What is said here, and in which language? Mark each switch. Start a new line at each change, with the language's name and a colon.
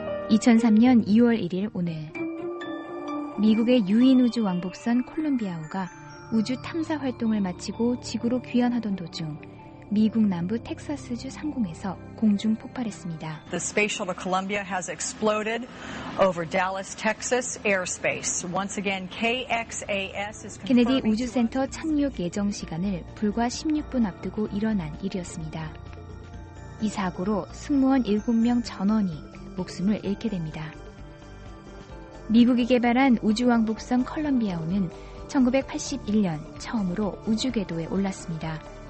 Korean: 2003년 2월 1일 오늘, 미국의 유인 우주 왕복선 콜롬비아호가 우주 탐사 활동을 마치고 지구로 귀환하던 도중 미국 남부 텍사스주 상공에서 공중 폭발했습니다.
English: The space shuttle Columbia has exploded over Dallas, Texas airspace. Once again, KXAS is confirming.
Korean: 케네디 우주센터 착륙 예정 시간을 불과 16분 앞두고 일어난 일이었습니다. 이 사고로 승무원 7명 전원이 목숨을 잃게 됩니다. 미국이 개발한 우주왕복선 콜롬비아호는 1981년 처음으로 우주 궤도에 올랐습니다.